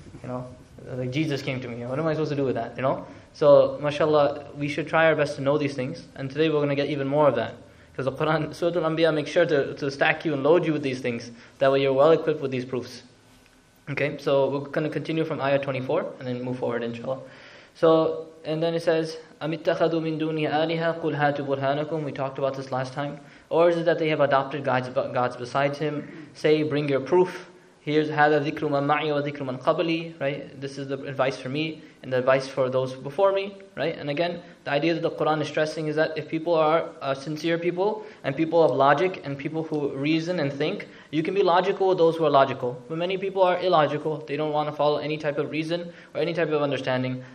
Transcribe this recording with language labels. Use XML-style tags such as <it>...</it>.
<en>You know, like Jesus came to me. What am I supposed to do with that? You know. So, mashallah, we should try our best to know these things. And today we're going to get even more of that. Because the Quran, Surah Al-Anbiya, makes sure to stack you and load you with these things. That way you're well equipped with these proofs. Okay, so we're going to continue from Ayah 24 and then move forward, inshallah. So, and then it says,</en> <ar>أَمِتَّخَذُوا مِن دُونِيَ آلِهَا قُلْ هَاتُوا بُرْهَانَكُمْ.</ar> <en>We talked about this last time. Or is it that they have adopted gods besides him? Say, bring your proof. Here's</en> <ar>هَذَا ذِكْرُ مَنْ مَعِيَ وَذِكْرُ مَنْ قَبْلِي.</ar> <en>Right? This is the advice for me and the advice for those before me. Right? And again, the idea that the Quran is stressing is that if people are sincere people and people of logic and people who reason and think, you can be logical with those who are logical. But many people are illogical. They don't want to follow any type of reason or any type of understanding.</en>